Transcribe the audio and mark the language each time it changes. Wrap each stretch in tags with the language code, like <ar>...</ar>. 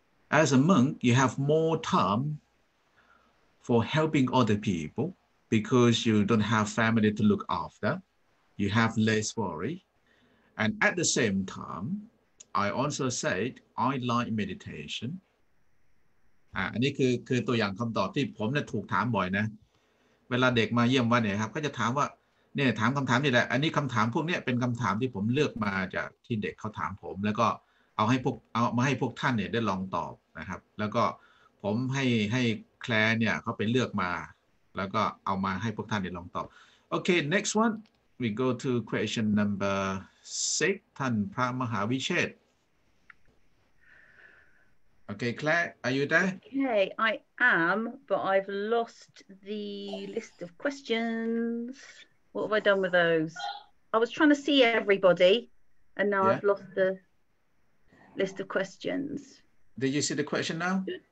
<en>As a monk, you have more time for helping other people because you don't have family to look after. You have less worry. And at the same time, I also said, I like meditation.</en> <th>อันนี้คือตัวอย่างคำตอบที่ผมเนี่ยถูกถามบ่อยนะเวลาเด็กมาเยี่ยมวันเนี่ยครับก็จะถามว่าเนี่ยถามคำถามนี่แหละอันนี้คำถามพวกเนี้ยเป็นคำถามที่ผมเลือกมาจากที่เด็กเขาถามผมแล้วก็เอามาให้พวกท่านเนี่ยได้ลองตอบนะครับแล้วก็ ผมให้แคลร์เนี่ยเขาไปเลือกมาแล้วก็เอามาให้พวกท่านได้ลองตอบโอเค</th> <en>next one we go to question number 6</en> <th>ท่านพระมหาวิเชษ</th> <en>Okay, Claire, are you there? Okay, I am, but I've lost the list of questions. What have I done with those? I was trying to see everybody, and now yeah. I've lost the list of questions. Did you see the question now?</en>